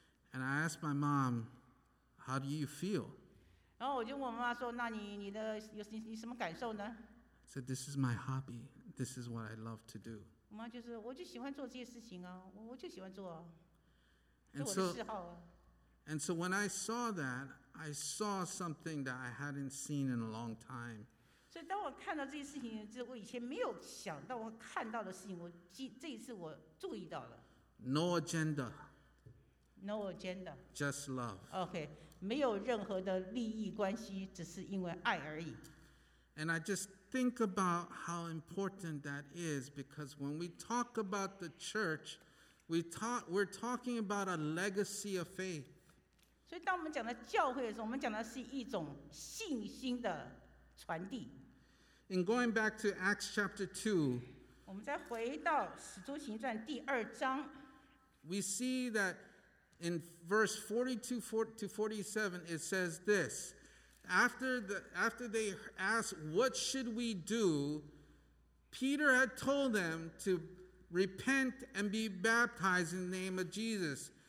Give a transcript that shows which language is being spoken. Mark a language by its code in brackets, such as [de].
[en] And I asked my mom, "How do you feel?" [zh] 然后我就问我妈妈说，那你什么感受呢？ [en] So this is my hobby. This is what I love to do. [zh] 妈就是，我就喜欢做这些事情啊，我就喜欢做啊，是我的嗜好啊。 [en] And so when I saw that, I saw something that I hadn't seen in a long time. [zh] 所以当我看到这些事情，这我以前没有想到我看到的事情，这一次我注意到了。 [en] No agenda. No agenda. Just love. [zh] Okay, 没有任何的利益关系，只是因为爱而已。 [en] And I just think about how important that is, because when we talk about the church, we're talking about a legacy of faith. [zh] 所以当我们讲的教会的时候，我们讲的是一种信心的传递。 [en] In going back to Acts chapter 2, [zh] 我我们再回到《使徒行传》第二章。 [en] We see that in verse 42 to 47, it says this: after they asked, "What should we do?" Peter had told them to repent and be baptized in the name of Jesus.